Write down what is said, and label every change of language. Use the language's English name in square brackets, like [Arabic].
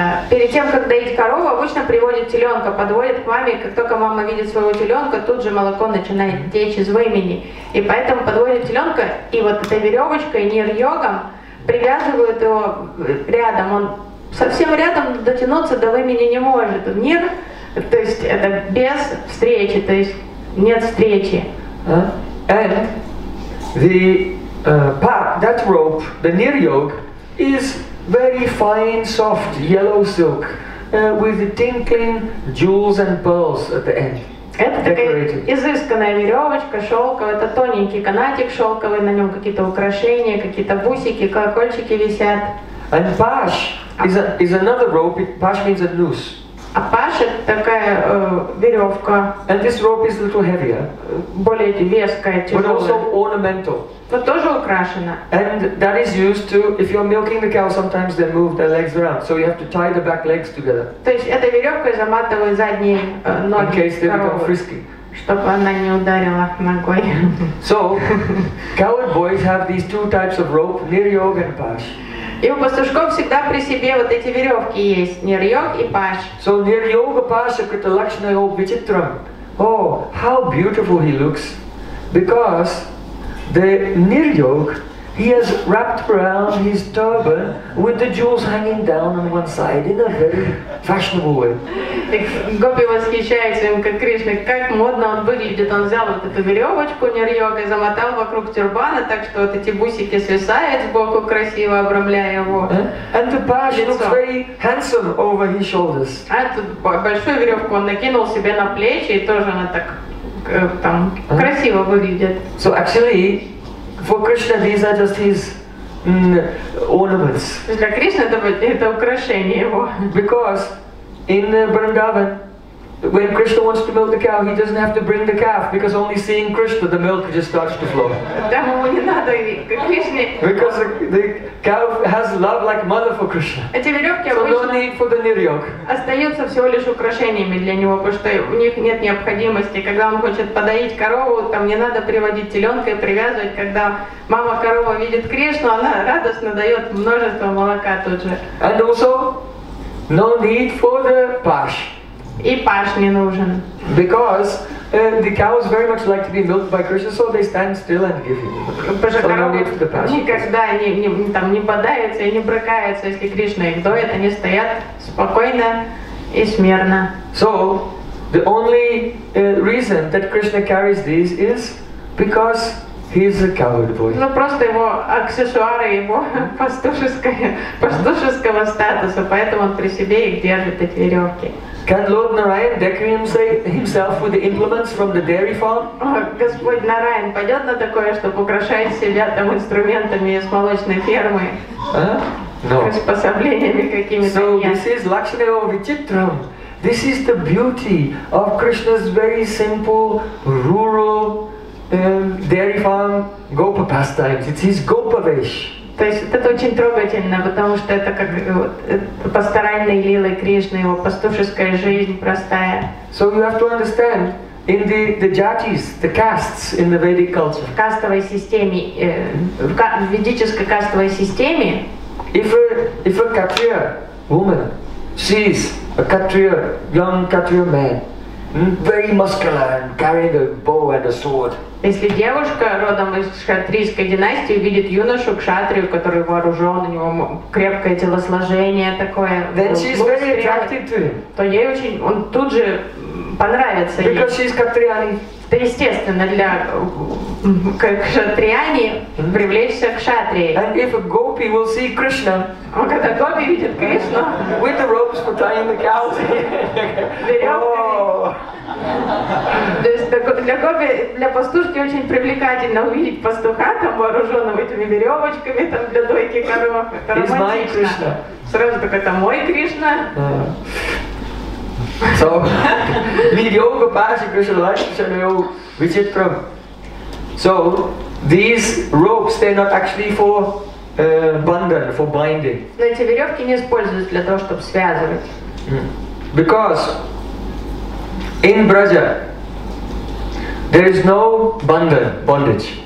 [Russian] Перед тем, как доить корову, обычно приводит теленка, подводит к маме, и как только мама видит своего теленка, тут же молоко начинает течь из вымени. И поэтому подводит теленка, и вот этой веревочкой, нир-йогом, привязывают его рядом. Он совсем рядом дотянуться до вымени не может. Нир, то есть это без встречи, то есть нет встречи. [English] And the that rope, the nir-yog, is very fine, soft, yellow silk, with the tinkling jewels and pearls at the end. [Russian] Это такая изысканная веревочка, шелковая, это тоненький канатик шелковый, на нем какие-то украшения, какие-то бусики, колокольчики висят. [English] And pash is another rope. Pash means a noose. [Russian] А паш это такая веревка. [English] And this rope is a little heavier. [Russian] Более веская, тяжелая. [English] But also ornamental. [Russian] Но тоже украшена. [English] And that is used to, if you're milking the cow, sometimes they move their legs around, so you have to tie the back legs together. [Russian] То есть эта веревка заматывает задние ноги. [English] In case they become frisky. [Russian] Чтобы она не ударила ногой. [English] So, coward boys have these two types of rope, nir-yog and pash. [Russian] И у пастушков всегда при себе вот эти веревки есть, нир-йог и паш. [Sanskrit] So nir-yoga pashak это лакшна йог вичитрам. [English] Oh, how beautiful he looks, because the nir-yog, he has wrapped around his turban with the jewels hanging down on one side in a very fashionable way. [Russian] Гопи восхищается им, как Кришна, как модно он выглядит. Он взял вот эту веревочку нир-йога и замотал вокруг тюрбана, так что вот эти бусики свисают сбоку, красиво обрамляя его. [English] And the pash looks very handsome over his shoulders. [Russian] А эту большую веревку он накинул себе на плечи, и тоже она так там красиво выглядит. [English] So actually, for Krishna, these are just his ornaments. [Russian] Для Кришны это украшение его. [English] Because in Vrindavan, when Krishna wants to milk the cow, he doesn't have to bring the calf, because only seeing Krishna, the milk just starts to flow. [Russian] Там ему не надо Кришне. [English] Because the cow has love like mother for Krishna. [Russian] Эти веревки обычно. [English] So no need for the nir-yog. [Russian] Остаются всего лишь украшениями для него, потому что у них нет необходимости. Когда он хочет подоить корову, там не надо приводить теленка и привязывать. Когда мама корова видит Кришну, она радостно дает множество молока тут же. [English] And also, no need for the pash. [Russian] И паш не нужен. [English] Because the cows very much like to be milked by Krishna, so they stand still and give him. So no need for the pash. [Russian] Никогда не подаются и не брыкаются, если Кришна их доит, они стоят спокойно и смирно. [English] So the only reason that Krishna carries these is because he is a coward boy. [Russian] Ну просто его аксессуары, его пастушеского статуса, поэтому он при себе их держит, эти веревки. [English] Can Lord Narayan decorate himself with the implements from the dairy farm? [Russian] Господь Нараян пойдет на такое, чтобы украшать себя там инструментами из молочной фермы? [English] No. [Russian] Приспособлениями какими-то нет. [English] So this is Lakshmi Yoga Vichitram. This is the beauty of Krishna's very simple, rural, dairy farm gopa pastimes. It's his gopavesh. [Russian] То есть вот это очень трогательно, потому что это как вот, постаранные лилы Кришны, его пастушеская жизнь простая. [English] So you have to understand, in the jatis, the castes in the Vedic culture. [Russian] В кастовой системе, в ведической кастовой системе. [English] If a Kshatriya woman sees a Kshatriya, young Kshatriya man, very muscular and carrying a bow and a sword. [Russian] Если девушка родом из кшатрийской династии видит юношу кшатрию, который вооружен, у него крепкое телосложение такое, [English] then she's very attracted to him. [Russian] То ей очень, он тут же понравится ей. [English] Because she's Kshatriyani. [Russian] Это естественно для кшатрияни привлечься к кшатрии. [English] And if a gopi will see Krishna, [Russian] а когда гопи видит Кришну, [English] with the ropes for tying the cows, [Russian] то есть для гопи, для пастушки очень привлекательно увидеть пастуха там вооруженного этими веревочками там для дойки коров. Это романтично. Сразу такой, это мой Кришна. [Sanskrit] So, Vidyoga Pashi Krishna Lakshanayo Vichitra. [English] So, these ropes, they're not actually for bandhan, for binding. [Russian] Но эти веревки не используются для того, чтобы связывать. [English] Because in Braja, there is no bandhan, bondage.